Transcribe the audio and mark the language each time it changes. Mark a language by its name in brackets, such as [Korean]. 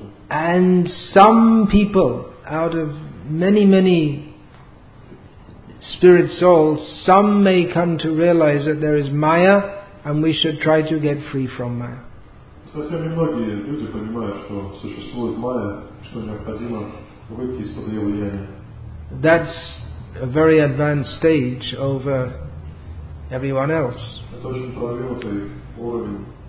[English] And some people, out of many, many spirit souls, some may come to realize that there is Maya and we should try to get free from Maya. [Russian] Совсем немногие люди понимают, что существует Maya, что необходимо выйти из-под ее влияния. [English] That's a very advanced stage over everyone else. [Russian] Это очень продвинутый уровень.